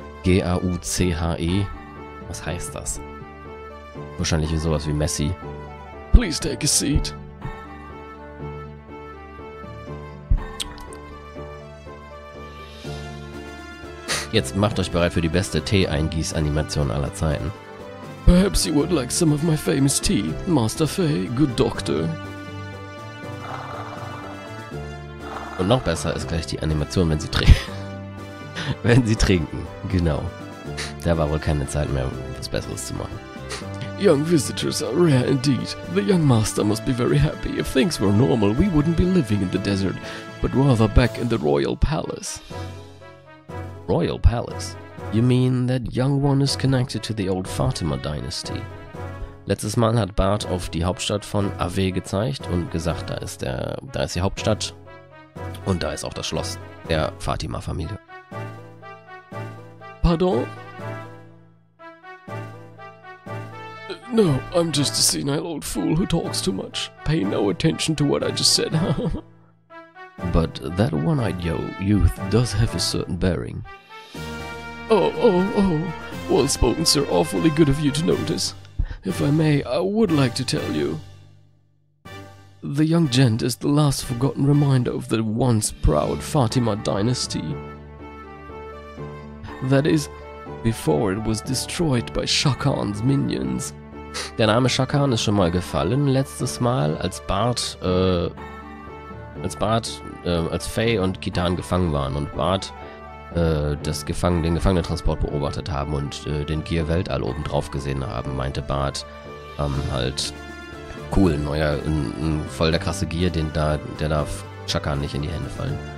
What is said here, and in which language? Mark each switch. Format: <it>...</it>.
<de>G-A-U-C-H-E. Was heißt das? Wahrscheinlich sowas wie Messi.</de> <en>Please take a seat.</en> <de>Jetzt macht euch bereit für die beste Tee-Eingieß-Animation aller Zeiten.</de> <en>Perhaps you would like some of my famous tea, Master Fei, good doctor.</en> <de>Und noch besser ist gleich die Animation, wenn sie trinken. Wenn sie trinken, genau. da war wohl keine Zeit mehr, etwas Besseres zu machen.</de> <en>Young visitors are rare indeed. The young master must be very happy. If things were normal, we wouldn't be living in the desert, but rather back in the royal palace. Royal palace? You mean that young one is connected to the old Fatima dynasty?</en> <de>Letztes Mal hat Bart auf die Hauptstadt von Ave gezeigt und gesagt, da ist die Hauptstadt und da ist auch das Schloss der Fatima-Familie.</de> <en>Pardon? No, I'm just a senile old fool who talks too much. Pay no attention to what I just said. But that one-eyed youth does have a certain bearing. Oh. Well spoken, sir. Awfully good of you to notice. If I may, I would like to tell you. The young gent is the last forgotten reminder of the once proud Fatima dynasty. That is, before it was destroyed by Shakan's minions.</en> <de>Der Name Shakan ist schon mal gefallen. Letztes Mal, als Faye und Kitan gefangen waren und Bart den Gefangenentransport beobachtet haben und den Gear Weltall oben drauf gesehen haben, meinte Bart halt cool, neuer, voll der krasse Gear, der darf Shakan nicht in die Hände fallen.</de>